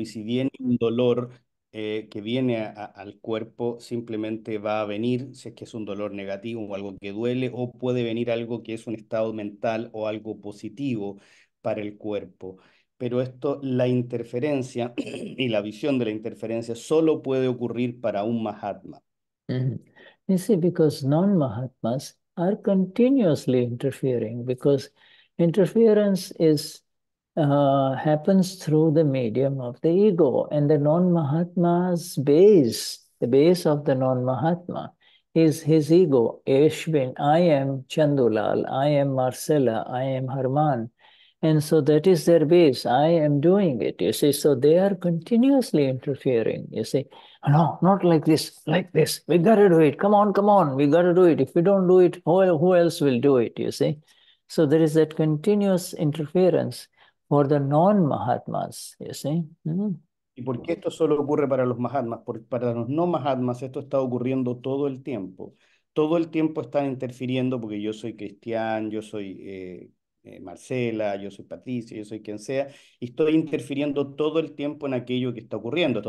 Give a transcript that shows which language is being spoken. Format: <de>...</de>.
<es>Y si viene un dolor que viene al cuerpo, simplemente va a venir, si es que es un dolor negativo o algo que duele, o puede venir algo que es un estado mental o algo positivo para el cuerpo. Pero esto, la interferencia y la visión de la interferencia solo puede ocurrir para un Mahatma.</es> <en>You see, because non-Mahatmas are continuously interfering, because interference is happens through the medium of the ego, and the non-Mahatma's base, the base of the non-Mahatma is his ego. Ashwin, I am Chandulal, I am Marcella, I am Harman. And so that is their base. I am doing it, you see. So they are continuously interfering, you see. No, not like this, like this. We got to do it. Come on, come on. We got to do it. If we don't do it, who else will do it, you see. So there is that continuous interference for the non-Mahatmas, you see.</en> <es>¿Y por qué esto solo ocurre para los Mahatmas? Porque para los no Mahatmas esto está ocurriendo todo el tiempo. Todo el tiempo están interfiriendo porque yo soy Cristian, yo soy Marcela, yo soy Patricia, yo soy quien sea, y estoy interfiriendo todo el tiempo en aquello que está ocurriendo.</es>